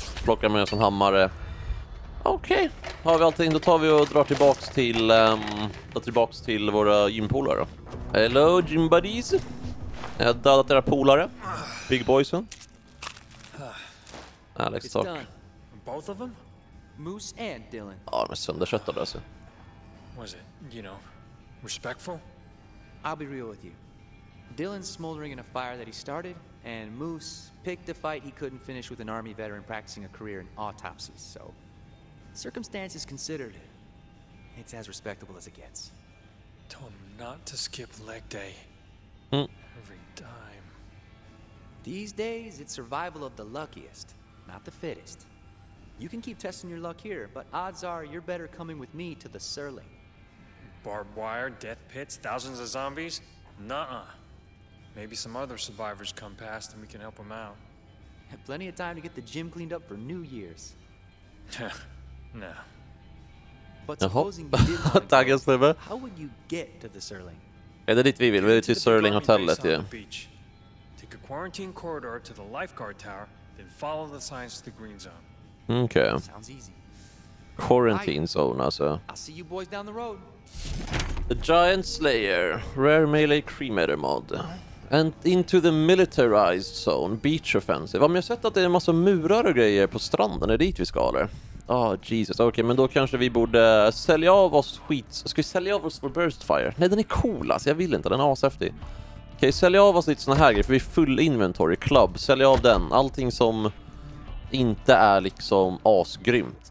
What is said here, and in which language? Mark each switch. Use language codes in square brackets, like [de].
[sv] Plocka med en sån hammare. Okej. Okay. Har vi allting, då tar vi och drar tillbaks till... drar tillbaks till våra gympolare. [en] Hello, gym buddies. [sv] Jag har dödat era polare. Big boysen. Alex, tack. [en] Both of them? Moose and Dylan. [sv] Ja, de är sönderköttade, alltså. [en] Was it, you know, respectful? I'll be real with you. Dylan's smoldering in a fire that he started, and Moose picked a fight he couldn't finish with an army veteran practicing a career in autopsies, so... Circumstances considered, it's as respectable as it gets. Tell him not to skip leg day. Every time. These days, it's survival of the luckiest, not the fittest. You can keep testing your luck here, but odds are you're better coming with me to the Serling. Barbed wire, death pits, thousands of zombies? Nuh-uh. Maybe some other survivors come past and we can help them out. Have plenty of time to get the gym cleaned up for New Year's. No. But supposing you did want to go, how would you get to the Serling? [sv] Är det dit vi vill? Vi vill till Serling hotellet, ja. [en] Take a quarantine corridor to the lifeguard tower, then follow the signs to the green zone. Okay. Sounds easy. Quarantine zone, alltså. I'll see you boys down the road. The Giant Slayer. Rare melee cremator mod. And into the militarized zone, beach offensive. [sv] Om jag sett att det är en massa murar och grejer på stranden, är det dit vi ska, eller? Ah, oh, Jesus. Okej, men då kanske vi borde sälja av oss skit. Ska vi sälja av oss för burst fire? Nej, den är cool, alltså. Jag vill inte. Den är ashäftig. Okej, sälja av oss lite såna här grejer, för vi är full inventory club. Sälja av den. Allting som inte är liksom asgrymt.